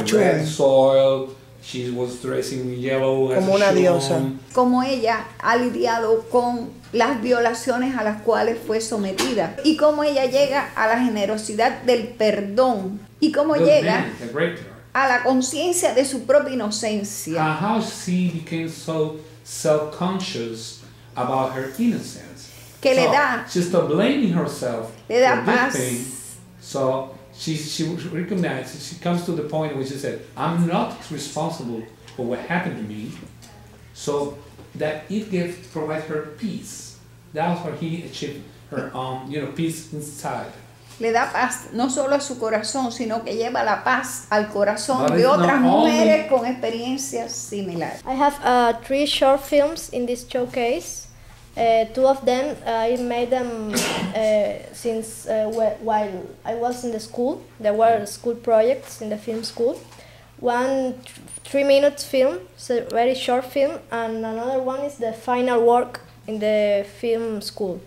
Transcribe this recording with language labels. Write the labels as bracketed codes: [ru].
[en] soil, she was dressing yellow as [es] como una diosa. Como ella ha lidiado con las violaciones a las cuales fue sometida. Y cómo ella llega a la generosidad del perdón. Y cómo llega a la conciencia de su propia inocencia. [en] How she became so self-conscious about her innocence. [es] Que [en] so [es] le da. [en] She's still blaming herself. [es] Le da paz. [en] She recognizes, she comes to the point where she said, I'm not responsible for what happened to me, so that it gives, provides her peace. That's where he achieved her own, you know, peace inside. [es] Le da paz, no solo a su corazón, sino que lleva la paz al corazón de otras mujeres con experiencias similares. [en] I have three short films in this showcase. Two of them, I made them since while I was in the school. There were school projects in the film school. One 3 minutes film, it's a very short film, and another one is the final work in the film school.